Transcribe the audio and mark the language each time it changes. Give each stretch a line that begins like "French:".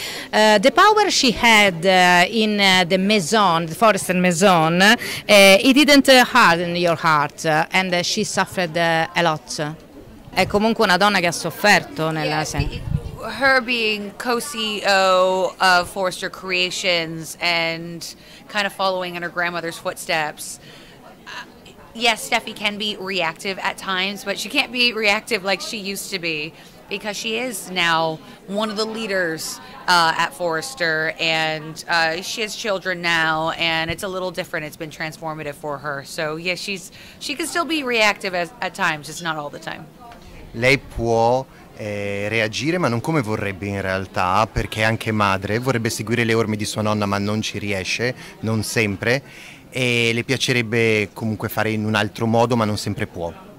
English: The power she had in the Maison, the Forrester Maison, it didn't harden your heart and she suffered a lot.
Italian: È comunque una donna che ha sofferto nella
English: Her being co-CEO of Forrester Creations and kind of following in her grandmother's footsteps. Yes, Steffy can be reactive at times, but she can't be reactive like she used to be because she is now one of the leaders at Forrester, and she has children now, and it's a little different. It's been transformative for her. So, yes, she can still be reactive at times, just not all the time.
Italian: Lei può reagire, ma non come vorrebbe in realtà, perché è anche madre, vorrebbe seguire le orme di sua nonna, ma non ci riesce, non sempre, e le piacerebbe comunque fare in un altro modo, ma non sempre può.